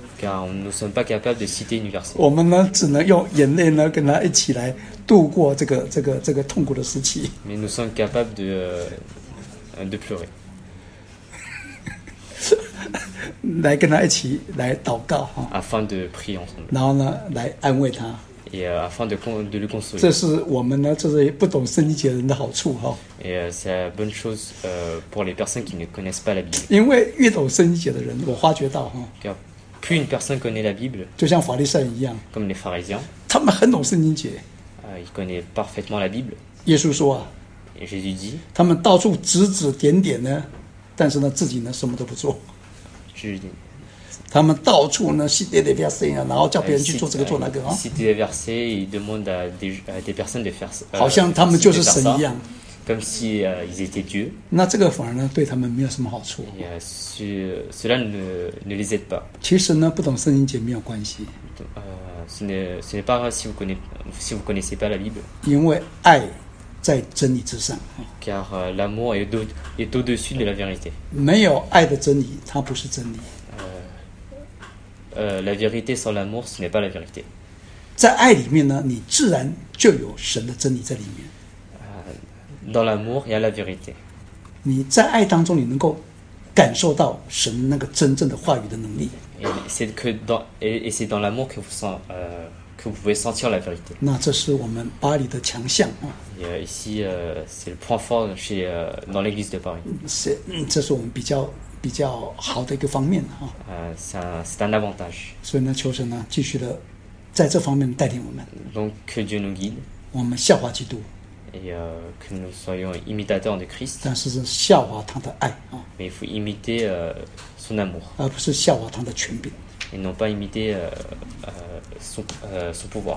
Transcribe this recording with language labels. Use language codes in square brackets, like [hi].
[fr] car nous ne sommes pas capables de citer une verset. [zh] 我们呢,只能用眼泪呢,跟他一起来度过这个痛苦的时期。 [fr] Mais nous sommes capables de pleurer. [zh] 来跟他一起来祷告, [fr] afin de prier ensemble. [zh] 然后呢,来安慰他。 [fr] Et afin de le consoler. [zh] 这是我们呢, 这是不懂圣经节人的好处, hein? [fr] Et c'est la bonne chose pour les personnes qui ne connaissent pas la Bible. [zh] 因为越懂圣经节的人, 我发觉到, hein? [fr] Car plus une personne connaît la Bible, [zh] 就像法利赛人一样, [fr] comme les pharisiens, [zh] 他们很懂圣经节, [fr] ils connaissent parfaitement la Bible. [zh] 耶稣说, [fr] et Jésus dit, [zh] 他们到处指指点点呢, 但是呢, 自己呢, 什么都不做, [fr] Jésus dit, [zh] 他们到处呢， [fr] citer des versets， [zh] 然后叫别人去做这个做那个。 [fr] Citer des versets, ils demandent à des personnes de faire. [zh] 好像他们就是神一样。 [fr] Comme si ils étaient Dieu. [zh] 那这个反而呢，对他们没有什么好处。 [fr] Cela ne les aide pas. [zh] 其实呢，不懂圣经节没有关系。 [fr] Ce n'est pas grave si vous connaissez pas la Bible. [zh] 因为爱在真理之上。 [fr] Car l'amour est au-dessus de la vérité. [zh] 没有爱的真理，它不是真理。 [fr] La vérité sans l'amour, ce n'est pas la vérité. [zh] 在爱里面呢, [fr] dans l'amour, il y a la vérité. [zh] 你在爱当中你能够感受到神那个真正的话语的能力。 [fr] Et c'est dans l'amour que vous pouvez sentir la vérité. [zh] 那这是我们巴黎的强项, hein? [fr] Et ici, c'est le point fort dans l'église de Paris. [zh] 这是我们比较 比较好的一个方面, 啊, [fr] c'est un avantage. [zh] 所以呢, 求神呢, 继续的在这方面带领我们, [fr] donc que Dieu nous guide, [zh] 我们效法基督, [fr] et que nous soyons imitateurs de Christ, [zh] 但是效法他的爱, 啊, [fr] mais il faut imiter son amour, [zh] 而不是效法他的权柄, [fr] et non pas imiter son pouvoir.